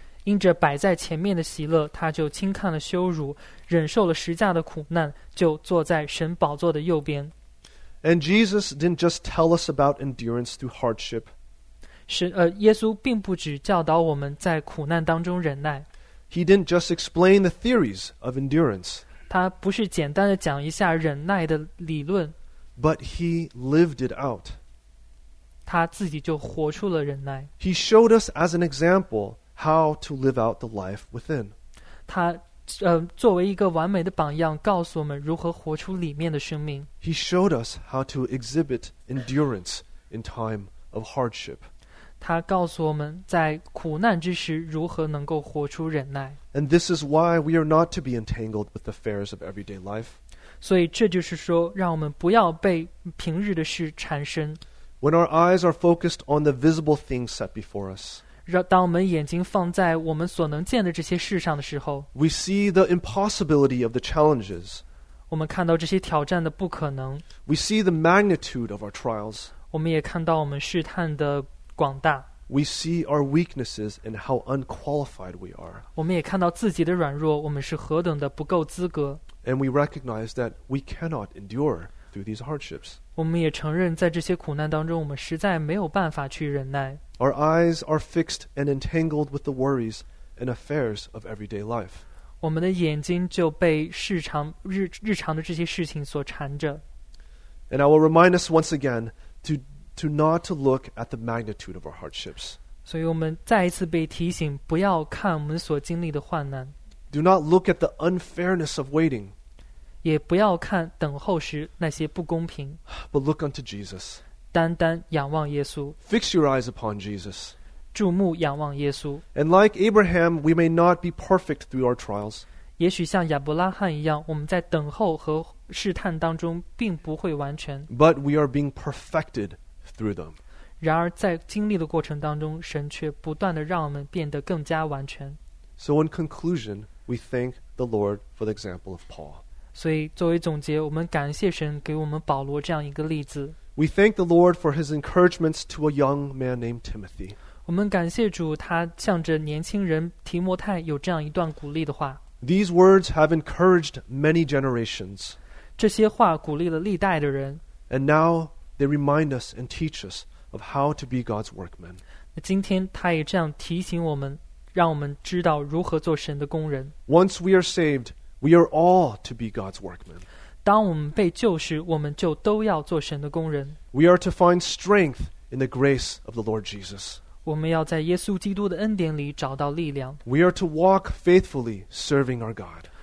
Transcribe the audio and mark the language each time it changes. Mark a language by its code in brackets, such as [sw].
[zh] 因着摆在前面的喜乐，他就轻看了羞辱，忍受了十架的苦难，就坐在神宝座的右边。 [en] And Jesus didn't just tell us about endurance through hardship. [zh] 耶稣并不只教导我们在苦难当中忍耐。 [en] He didn't just explain the theories of endurance. [zh] 他不是简单的讲一下忍耐的理论。 [en] But he lived it out. [zh] 他自己就活出了忍耐。 [en] He showed us as an example how to live out the life within. [zh] 他作为一个完美的榜样告诉我们如何活出里面的生命。 [en] He showed us how to exhibit endurance in time of hardship. [zh] 他告诉我们在苦难之时如何能够活出忍耐。 [en] And this is why we are not to be entangled with the affairs of everyday life. [zh] 所以这就是说让我们不要被平日的事缠身。 [en] When our eyes are focused on the visible things set before us, [zh] 当我们眼睛放在我们所能见的这些事上的时候， [en] we see the impossibility of the challenges. [zh] 我们看到这些挑战的不可能。 [en] We see the magnitude of our trials. [zh] 我们也看到我们试探的广大。 [en] We see our weaknesses and how unqualified we are. [zh] 我们也看到自己的软弱，我们是何等的不够资格。 [en] And we recognize that we cannot endure through these hardships. [zh] 我们也承认在这些苦难当中我们实在没有办法去忍耐。 [en] Our eyes are fixed and entangled with the worries and affairs of everyday life. [zh] 我们的眼睛就被日常的这些事情所缠着。 [en] And I will remind us once again to not to look at the magnitude of our hardships. [zh] 所以我们再一次被提醒，不要看我们所经历的患难。 [en] Do not look at the unfairness of waiting. [zh] 也不要看等候时那些不公平。 [en] But look unto Jesus. [zh] 单单仰望耶稣。 [en] Fix your eyes upon Jesus. [zh] 注目仰望耶稣。 [en] And like Abraham, we may not be perfect through our trials. [zh] 也许像亚伯拉罕一样，我们在等候和试探当中并不会完全。 [en] But we are being perfected through them. [zh] 然而在经历的过程当中，神却不断地让我们变得更加完全。 [en] So in conclusion, we thank the Lord for the example of Paul. [zh] 所以作为总结，我们感谢神给我们保罗这样一个例子。 [en] We thank the Lord for his encouragements to a young man named Timothy. [zh] 我们感谢主，他向着年轻人提摩太有这样一段鼓励的话。 [en] These words have encouraged many generations. [zh] 这些话鼓励了历代的人。 [en] And now they remind us and teach us of how to be God's workmen. [zh] 今天他也这样提醒我们，让我们知道如何做神的工人。 [en] Once we are saved, we are all to be God's workmen. [zh] 当我们被救时，我们就都要做神的工人。 [en] We are to find strength in the grace of the Lord Jesus. [zh] 我们要在耶稣基督的恩典里找到力量。 [en] We are to walk faithfully serving our God.